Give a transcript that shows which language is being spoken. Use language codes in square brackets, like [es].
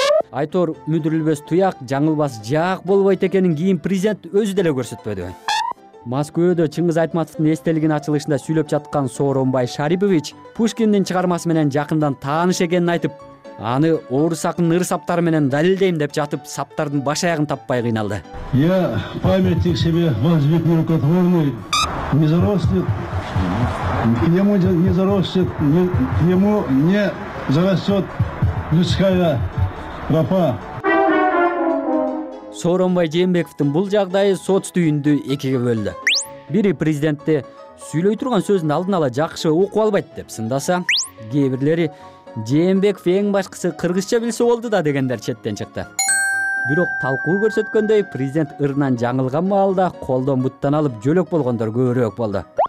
[ky] Айтор мүдүрүлбөс туяк, жаңылбас жаак болбойт экенин кийин президент өзү деле көрсөтпөдү. Москвада Чыңгыз Айтматовдун эстелигинин ачылышында сүйлөп жаткан Сооронбай Шарипович Пушкиндин чыгармасы менен жакындан тааныш экенин айтып, аны орус акынын ыр саптары менен далилдейм деп жатып, саптардын баш аягын таппай кыйналды. [ru] Я памятник себе возвек нерукотворный, не заростет, ему не заростет, ему не зарастет людская тропа. [ky] Сооронбай Жээнбековдун бул жагдайы соц түйүндү экиге бөлдү. Бири президентти сүйлөй турган сөзүн алдын ала жакшы окуп албайт деп сындаса, кээ бирлери Жээнбеков эң башкысы кыргызча билсе болду да дегендер четтен чыкты. Бирок талкуу көрсөткөндөй, президент ырынан жаңылган маалда колдон буттан алып жөлөк болгондор көбүрөөк болду.